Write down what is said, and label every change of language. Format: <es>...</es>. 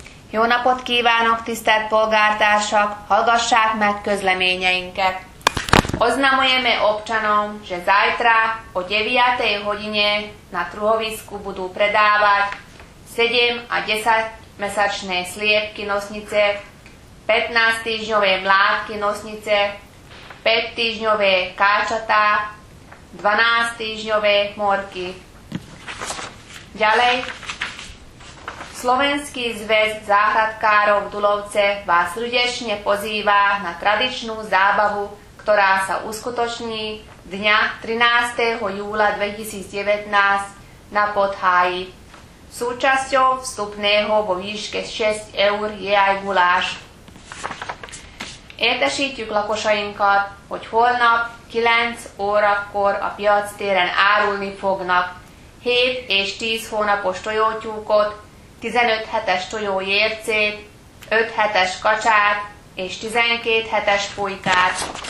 <hu>Jó napot kívánok, tisztelt polgártársak, hallgassák meg közleményeinket.</hu> <sk>Oznamujeme občanom, že zajtra o 9. hodine na truhovisku budú predávať 7 a 10 mesačné sliepky nosnice, 15 týždňové mládky nosnice, 5 týždňové káčatá, 12 týždňové morky. Ďalej, Slovenský zväz záhradkárov Dulovce vás srdečne pozýva na tradičnú zábavu, ktorá sa uskutoční dňa 13. júla 2019 na Podháji. Súčasťou vstupného vo výške 6 eur je aj guláš.</sk> <hu>Értesítjük lakosainkat, hogy holnap 9 órakor a piactéren árulni fognak 7 és 10 hónapos tojótyúkot, 15 hetes tojójércét, 5 hetes kacsát és 12 hetes pulykát.</hu>